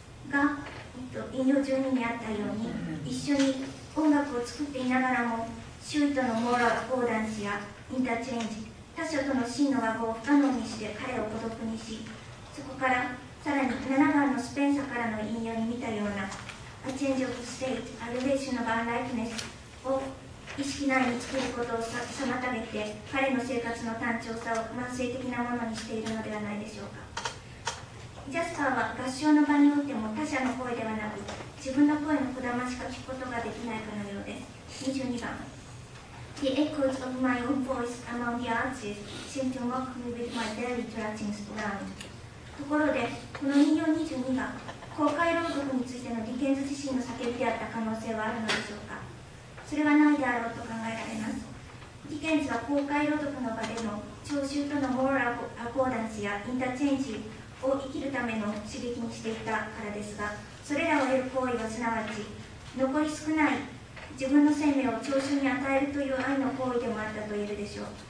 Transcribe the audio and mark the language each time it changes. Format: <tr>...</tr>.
<ja>が引用12にあったように、一緒に音楽を作っていながらも周囲とのモーラルコーダンスやインターチェンジ、他者との真の和合を不可能にして彼を孤独にし、そこからさらに7番のスペンサーからの引用に見たような、</ja> <en>A change of state, a relation of unlikeness</en> <ja>を意識内に作ることを妨げて、彼の生活の単調さを慢性的なものにしているのではないでしょうか。ジャスパーは合唱の場におっても他者の声ではなく自分の声のこだましか聞くことができないかのようです。</ja> <en>22番、The echoes of my own voice among the arches seem to mock me with my daily trudging around.</en> <ja>ところで、この引用22が公開朗読についてのディケンズ自身の叫びであった可能性はあるのでしょうか。それはないであろうと考えられます。ディケンズは公開朗読の場での聴衆とのモーラルアコーダンスやインターチェンジを生きるための刺激にしていたからですが、それらを得る行為はすなわち残り少ない自分の生命を聴衆に与えるという愛の行為でもあったと言えるでしょう。</ja>